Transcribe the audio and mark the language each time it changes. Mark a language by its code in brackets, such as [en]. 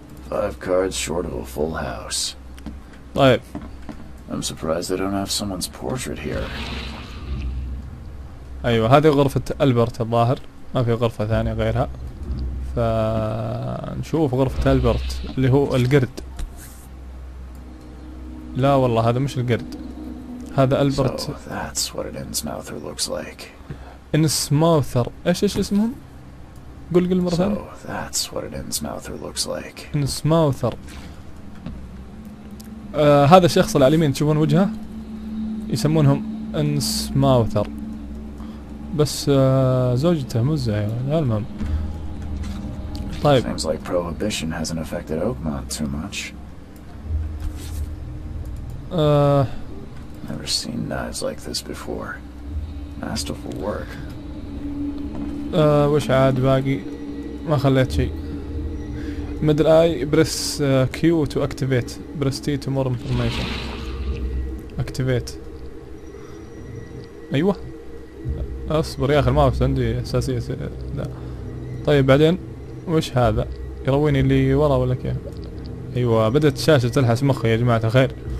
[en] 5 cards short of a full house. [ar] طيب [en] I'm surprised they don't have someone's portrait here. [ar] ايوه هذه غرفة البرت الظاهر، ما في غرفة ثانية غيرها. ف نشوف غرفة البرت اللي هو القرد. لا والله هذا مش القرد، هذا البرت. [en] So that's what an Innsmouther looks like. [ar] Innsmouther، ايش اسمهم؟ قل مرة ثانية. [en] So that's what an Innsmouther looks like. Innsmouther. [ar] هذا الشخص على اليمين تشوفون وجهه؟ يسمونهم Innsmouther. بس زوجته مو زي هذا. المهم. طيب. [en] Seems like prohibition hasn't affected Oakmont too much. Never seen knives like this before. Masterful work. [ar] وش عاد باقي؟ ما خليت شيء. [en] مدل اي press Q to activate, press T to more information. [ar] اكتيفيت ايوه. اصبر يا اخي الماوس عندي اساسية لا. طيب بعدين وش هذا؟ يرويني اللي ورا ولا كيف؟ ايوه بدأت الشاشة تلحس مخي يا جماعة الخير.